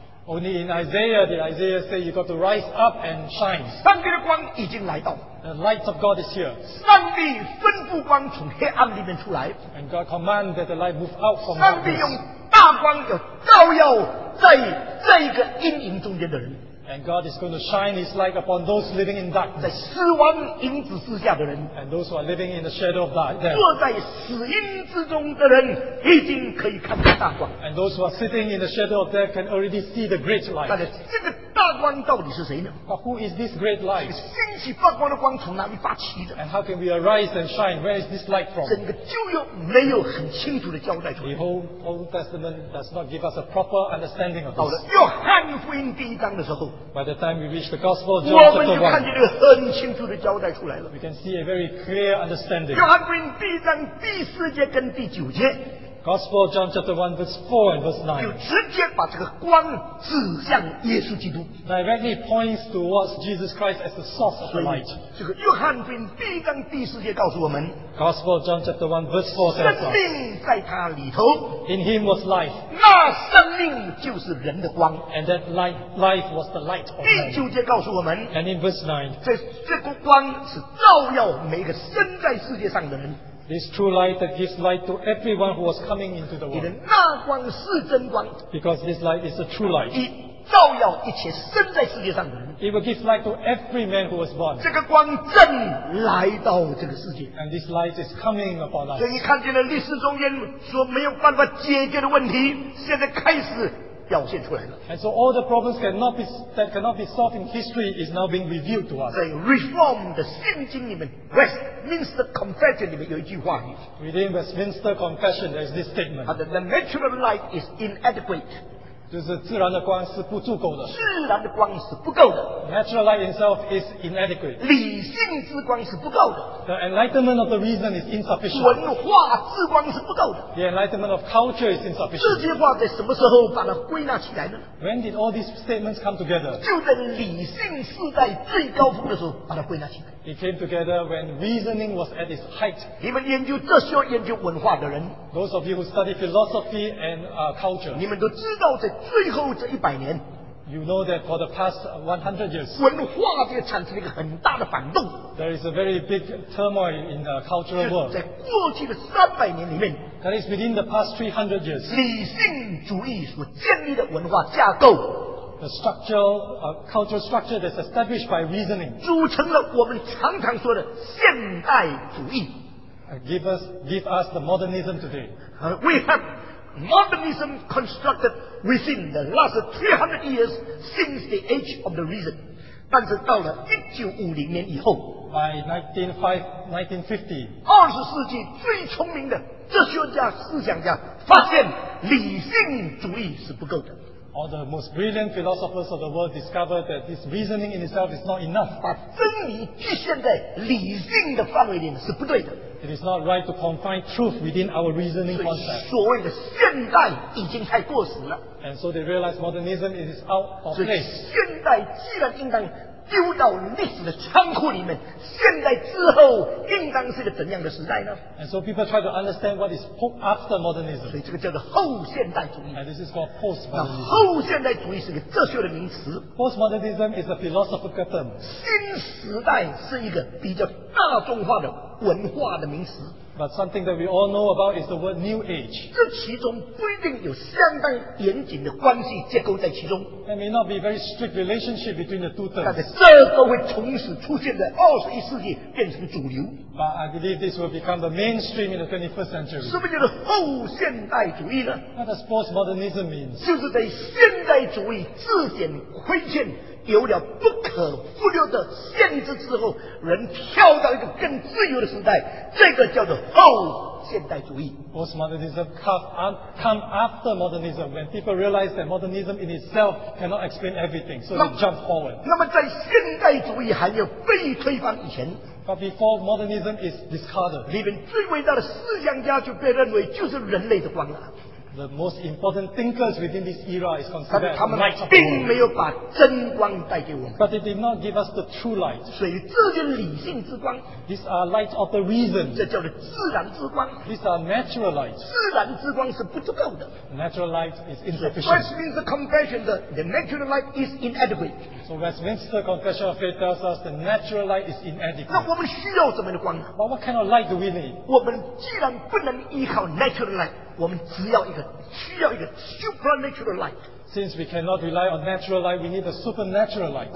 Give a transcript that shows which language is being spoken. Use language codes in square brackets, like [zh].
[en] Only in Isaiah did Isaiah say you got to rise up and shine. [zh] 上帝的光已经来到。 [en] The light of God is here. [zh] 上帝吩咐光从黑暗里面出来。 [en] And God commanded that the light move out from the darkness. [zh] 上帝用大光要照耀在这一个阴影中间的人。 [en] And God is going to shine His light upon those living in darkness. [zh] 在死亡影子之下的人。 [en] And those who are living in the shadow of death. [zh] 坐在死荫之中的人已经可以看到大光。 [en] And those who are sitting in the shadow of death can already see the great light. [zh] 但是这个大光到底是谁呢？ [en] But who is this great light? [zh] 这个兴起发光的光从哪里发起的？ [en] And how can we arise and shine? Where is this light from? [zh] 整个旧约没有很清楚的交代出来。 [en] The whole Old Testament does not give us a proper understanding of this. [zh] 到了约翰福音第一章的时候。 [en] By the time we reach the Gospel of John, [zh] 我们就看见这个很清楚的交代出来了。 [en] We can see a very clear understanding. [zh] 约翰福音第一章第四节跟第九节。 [en] Gospel of John chapter 1 verse 4 and verse 9. [zh] 就直接把这个光指向耶稣基督。 [en] Directly points towards Jesus Christ as the source of the light. [zh] 这个约翰福音第一章第四节告诉我们。 [en] Gospel of John chapter 1 verse 4 says. [zh] 生命在他里头。 [en] In him was life. [zh] 那生命就是人的光。 [en] And that life was the light of man. [zh] 第九节告诉我们。 [en] And in verse 9. [zh] 这个光是照耀每一个生在世界上的人。 [en] This true light that gives light to everyone who was coming into the world. [zh] 你的那光是真光。 [en] Because this light is the true light. [zh] 照耀一切生在世界上的人。 [en] It will give light to every man who was born. [zh] 这个光正来到这个世界。 [en] And this light is coming upon us. [zh] 所以你看见了历史中间所没有办法解决的问题，现在开始。表现出来了。 [en] And so all the problems cannot be solved in history is now being revealed to us. [zh] 在 Reform 的圣经里面 ，Westminster Confession 里面有一句话。 [en] Within Westminster Confession, there is this statement. The natural light is inadequate. [zh] 就是自然的光是不足够的。自然的光是不够的。 [en] Natural light itself is inadequate. [zh] 理性之光是不够的。 [en] The enlightenment of the reason is insufficient. [zh] 文化之光是不够的。 [en] The enlightenment of culture is insufficient. [zh] 这些话在什么时候把它归纳起来呢？ [en] When did all these statements come together? [zh] 就在理性时代最高峰的时候把它归纳起来。 [en] It came together when reasoning was at its height. [zh] 你们研究哲学、研究文化的人， [en] those of you who study philosophy and culture, [zh] 你们都知道在最后这一百年， [en] you know that for the past 100 years, [zh] 文化就产生了一个很大的反动。 [en] There is a very big turmoil in the cultural world. [zh] 在过去的三百年里面， [en] that is within the past 300 years, [zh] 理性主义所建立的文化架构。 [en] The cultural structure that's established by reasoning [zh] 组成了我们常常说的现代主义。 [en] Give us the modernism today. We have modernism constructed within the last 300 years since the age of the reason. [zh] 但是到了1950年以后 [en] by [zh] 1950, 20世纪最聪明的哲学家、思想家发现理性主义是不够的。 [en] All the most brilliant philosophers of the world discovered that this reasoning in itself is not enough. [zh] 把真理局限在理性的范围里面是不对的。 [en] It is not right to confine truth within our reasoning concept. [zh] 所谓的现代已经太过时了。 [en] And so they realized modernism is out of place. [zh] 现代既然应当丢到历史的仓库里面，现代之后应当是个怎样的时代呢？ [en] And so people try to understand what is after modernism. [zh] 所以这个叫做后现代主义。 [en] And this is called postmodernism. [zh] 那后现代主义是个哲学的名词。 [en] Postmodernism is a philosophical term. [zh] 新时代是一个比较大众化的文化的名词。 [en] But something that we all know about is the word New Age. [zh] 这其中不一定有相当严谨的关系结构在其中。 [en] There may not be very strict relationship between the two terms. [zh] 但是这个会从此出现在二十一世纪变成主流。 [en] But I believe this will become the mainstream in the 21st century. [zh] 什么叫做后现代主义呢？ [en] What does postmodernism mean? [zh] 就是在现代主义自显亏欠。有了不可复留的限制之后，人跳到一个更自由的时代，这个叫做后现代主义。 [en] Postmodernism come after modernism when people realize that modernism in itself cannot explain everything, so they jump forward. [zh] 那么在现代主义还有被推翻以前。 [en] But before modernism is discarded, [zh] 里面最伟大的思想家就被认为就是人类的光了。 [en] The most important thinkers within this era is considered [zh] 但他们并没有把真光带给我们。 [en] But they did not give us the true light. [zh] 所以这就是理性之光。 [en] These are lights of the reason. [zh] 这叫做自然之光。 [en] These are natural lights. [zh] 自然之光是不足够的。 [en] Natural light is insufficient. Westminster Confession, the natural light is inadequate. So Westminster Confession of Faith tells us the natural light is inadequate. [zh] 那我们需要什么的光？ [en] But what kind of light do we need? [zh] 我们既然不能依靠 [en] natural light. [zh] 我们只要一个需要一个 [en] supernatural light. Since we cannot rely on natural light, we need a supernatural light.